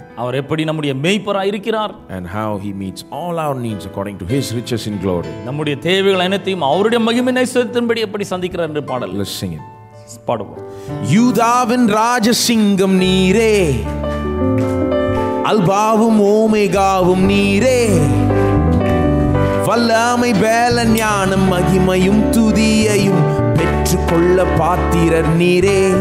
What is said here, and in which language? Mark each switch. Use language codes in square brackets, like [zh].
[ta] அவர் எப்படி நம்முடைய மேய்ப்பராய் இருக்கிறார். [en] And how he meets all our needs according to his riches in glory. [ta] நம்முடைய தேவைகள் அனைத்தையும் அவருடைய மகிமையை செலுத்தும்படி எப்படி சந்திக்கிறார் என்று பாடல். [en] Let's sing it. [ta] பாடுவோம். யூதாவின் ராஜசிங்கம் நீரே, அல்பாவும் ஓமேகாவும் நீரே, வல்லாமை பேல ஞானம் மகிமையும் துதியையும் பெற்றுக்கொள்ள பாத்திரர் நீரே.